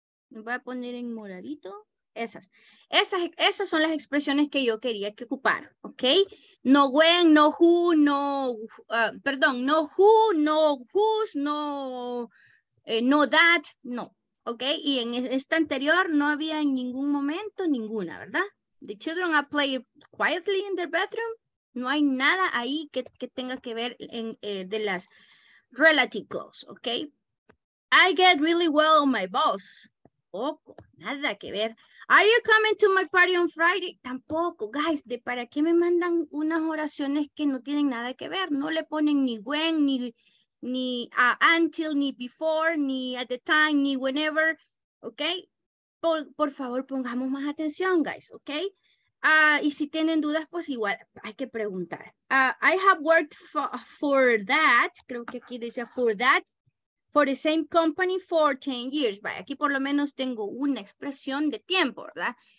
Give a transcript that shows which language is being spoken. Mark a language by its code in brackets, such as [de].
[es] voy a poner en moradito esas son las expresiones que yo quería que ocuparan, ok. No when, no who, no perdón, no who, no whose, no no that, no, ok. Y en esta anterior no había en ningún momento ninguna, ¿verdad? [en] The children are playing quietly in their bedroom. [es] No hay nada ahí que tenga que ver en de las relative clause, ok. [en] I get really well on my boss. [es] Poco, nada que ver. [en] Are you coming to my party on Friday? [es] Tampoco, guys, ¿de para qué me mandan unas oraciones que no tienen nada que ver? No le ponen ni when, ni until, ni before, ni at the time, ni whenever, ¿ok? Por favor, pongamos más atención, guys, ¿ok? Y si tienen dudas, pues igual hay que preguntar. [en] I have worked for that, [es] creo que aquí decía [en] for that, for the same company for 10 years. [es] Vaya, aquí por lo menos tengo una expresión de tiempo, ¿verdad?